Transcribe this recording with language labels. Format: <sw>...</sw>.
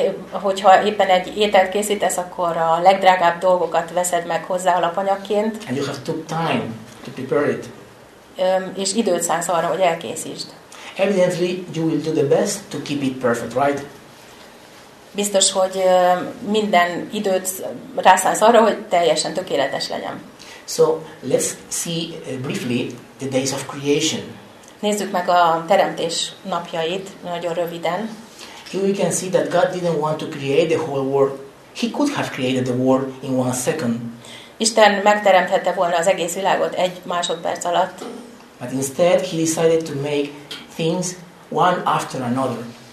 <hu>Hogyha éppen egy ételt készítesz, akkor a legdrágább dolgokat veszed meg hozzá alapanyagként.</hu> <en>And you have took time to prepare it.</en> <hu>És időt szánsz arra, hogy elkészítsd.</hu> <en>Evidently, you will do the best to keep it perfect, right?</en> <hu>Biztos, hogy minden időt rászánsz arra, hogy teljesen tökéletes legyen.</hu> <en>So, let's see briefly the days of creation.</en> <hu>Nézzük meg a teremtés napjait nagyon röviden.</hu> <en>Here we can see that God didn't want to create the whole world. He could have created the world in one second.</en> <hu>Isten megteremthette volna az egész világot egy másodperc alatt.</hu> <en>But instead, he decided to make things one after another.</en>